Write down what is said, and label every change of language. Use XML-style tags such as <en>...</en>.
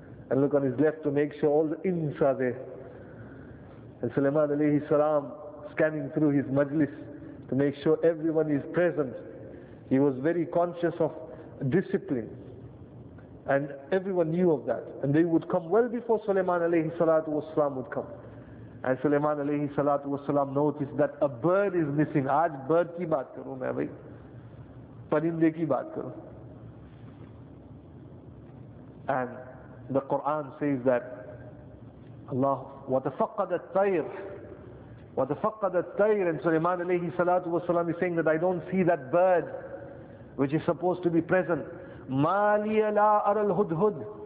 <en>And look on his left to make sure all the ins are there. And Sulaiman alayhi salam, scanning through his majlis to make sure everyone is present. He was very conscious of discipline. And everyone knew of that. And they would come well before Sulaiman alayhi salatu wa salam would come. And Sulaiman alayhi salatu wa salam noticed that a bird is missing.</en> <ur>آج bird کی بات کرو میں بھائی. پرندے کی بات کرو.</ur> <en>And the Quran says that Allah,</en> <ar>wa tafaqqada at-tayr,</ar> <en>and Sulaiman alayhi salatu wa salam is saying that I don't see that bird which is supposed to be present.</en> <ar>Maliya la ara al-hudhud.</ar>